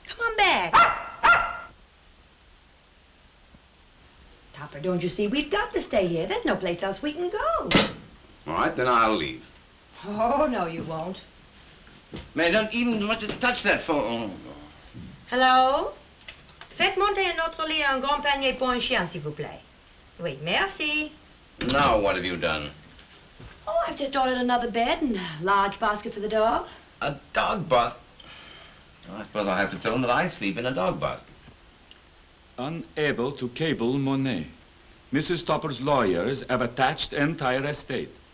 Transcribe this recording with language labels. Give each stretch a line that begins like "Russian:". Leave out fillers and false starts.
English: Come on back. Topper, don't you see? We've got to stay here. There's no place else we can go. All right, then I'll leave. Oh, no, you won't. May I don't even want to touch that phone. Hello?
French: Faites monter un autre lit, un grand panier pour un chien, s'il vous plaît. Oui, merci.
English: Now, what have you done? Oh, I've just ordered another bed and a large basket for the dog. A dog basket? Well, I suppose I'll have to tell him that I sleep in a dog basket. Unable to cable Monet. Mrs. Topper's lawyers have attached entire estate.